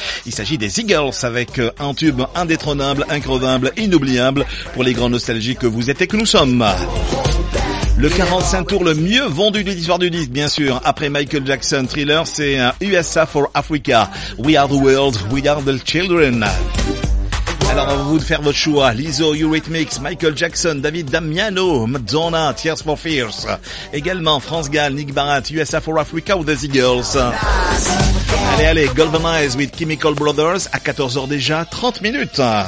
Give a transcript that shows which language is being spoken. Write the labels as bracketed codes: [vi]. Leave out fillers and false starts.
[fr] Il s'agit des Eagles avec un tube indétrônable, incroyable, inoubliable pour les grands nostalgiques que vous êtes et que nous sommes. Le 45 tours le mieux vendu de l'histoire du disque, bien sûr. Après Michael Jackson, Thriller, c'est USA for Africa. [en] We are the world, we are the children. [fr] Alors, à vous de faire votre choix. Lizzo, Eurythmics, Michael Jackson, David Damiano, Madonna, Tears for Fears. Également, France Gall, Nick Barrett, USA for Africa ou The Eagles. Allez, allez, Golden Eyes with Chemical Brothers à 14h déjà, 30 minutes.